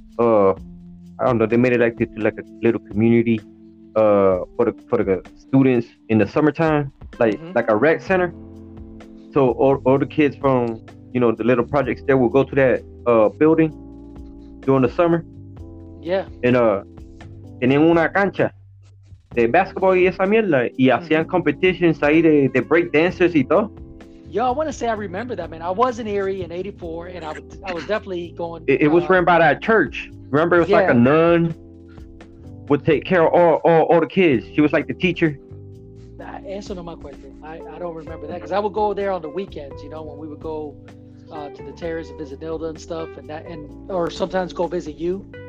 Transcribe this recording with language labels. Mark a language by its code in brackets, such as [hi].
[en] I don't know, they made it like to like a little community for the students in the summertime, like a rec center. So all the kids from, you know, the little projects there will go to that building during the summer. Yeah. And [es] tenían una cancha de basketball y esa mierda, y hacían competitions ahí de break dancers y todo. [en] Yo, I want to say I remember that, man. I was in Erie in 84, and I was definitely going. It was run by that church. Remember, it was like a nun would take care of all the kids. She was like the teacher. Answer no my question. I don't remember that, because I would go there on the weekends, you know, when we would go to the terrace and visit Nilda and stuff, or sometimes go visit you.